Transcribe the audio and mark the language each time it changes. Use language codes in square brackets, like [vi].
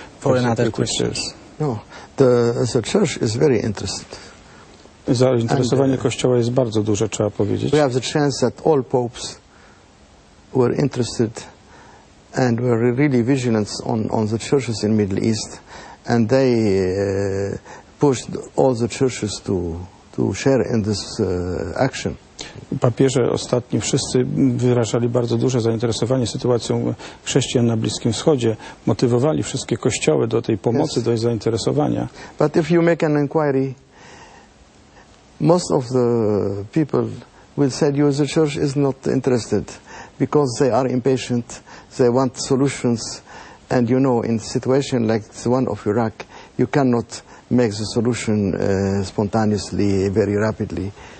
[en] persecuted Christians. No, the church is very interested. [pl] Zainteresowanie Kościoła jest bardzo duże, trzeba powiedzieć. [en] We have the chance that all popes were interested and were really vigilant on the churches in Middle East, and they pushed all the churches to share in this action. [pl] Papieże ostatni wszyscy wyrażali bardzo duże zainteresowanie sytuacją chrześcijan na Bliskim Wschodzie, motywowali wszystkie kościoły do tej pomocy, yes, do ich zainteresowania. [en] But if you make an inquiry, most of the people will say you, the church is not interested because they are impatient. They want solutions, and you know, in a situation like the one of Iraq, you cannot make the solution spontaneously, very rapidly.